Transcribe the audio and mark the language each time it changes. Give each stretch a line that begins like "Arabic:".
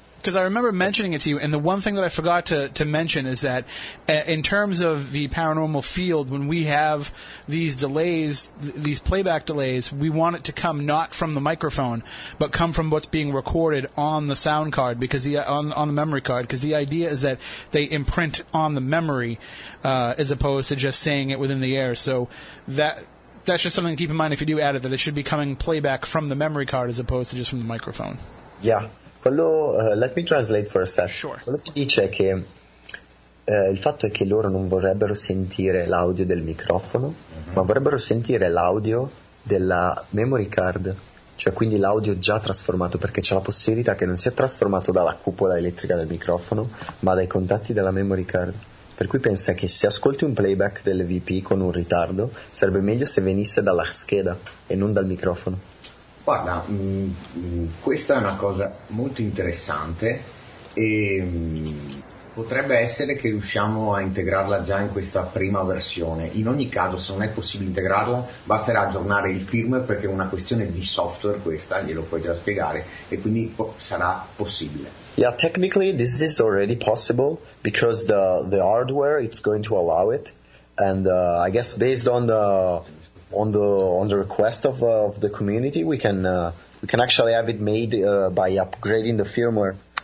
English: Because I remember mentioning it to you, and the one thing that I forgot to mention is that in terms of the paranormal field, when we have these delays, these playback delays, we want it to come not from the microphone, but come from what's being recorded on the sound card, because on the memory card, because the idea is that they imprint on the memory as opposed to just saying it within the air. So that's just something to keep in mind if you do add it, that it should be coming playback from the memory card as opposed to just from the microphone. Yeah. Quello, let me translate for a sec. Sure.
Italian: Quello che dice è che il fatto è che loro non vorrebbero sentire l'audio del microfono, ma vorrebbero sentire l'audio della memory card, cioè quindi l'audio già trasformato, perché c'è la possibilità che non sia trasformato dalla cupola elettrica del microfono, ma dai contatti della memory card. Per cui pensa che se ascolti un playback delle VP con un ritardo, sarebbe meglio se venisse dalla scheda e non dal microfono. Guarda, questa è una cosa molto interessante e potrebbe essere che riusciamo a integrarla già in questa prima versione. In ogni caso, se non è possibile integrarla, basterà aggiornare il firmware, perché è una questione di software questa, glielo puoi già spiegare, e quindi sarà possibile.
English: Yeah, technically this is already possible because the hardware it's going to allow it, and I guess based on the request of the community, we can actually have it made by upgrading the firmware.